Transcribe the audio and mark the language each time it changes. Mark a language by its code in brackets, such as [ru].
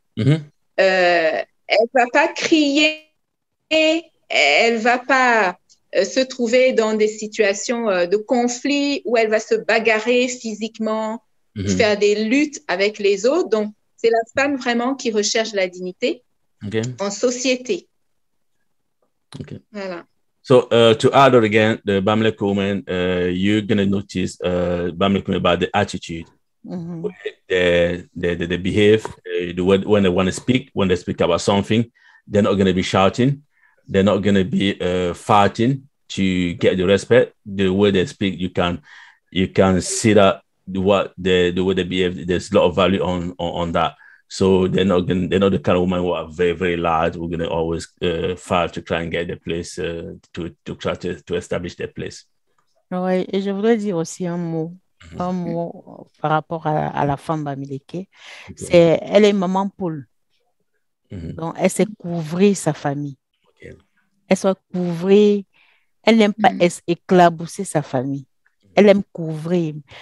[fr] Elle ne va pas crier. Elle ne va pas se trouver dans des situations de conflit où elle va se bagarrer physiquement, faire des luttes avec les autres. Donc, c'est la femme vraiment qui recherche la dignité en société. Okay. Voilà. [en] So, to add it again, the Bamleke woman, you're going to notice Bamleke woman about the attitude, they behave, when they want to speak, when they speak about something, they're not going to be shouting. They're not going to be fighting to get the respect. The way they speak, you can see that the way they behave, there's a lot of value on that. So they're not the kind of women who are very, very loud. We're going to always fight to try and get their place, to try to establish their place. [fr] Oui, et je voudrais dire aussi un mot par rapport à la femme Bamileke. Okay. Elle est maman poule. Donc, elle s'est couvrée sa famille. Elle s'est couvrée. Elle n'aime pas éclabousser sa famille. Elle aime couvrir.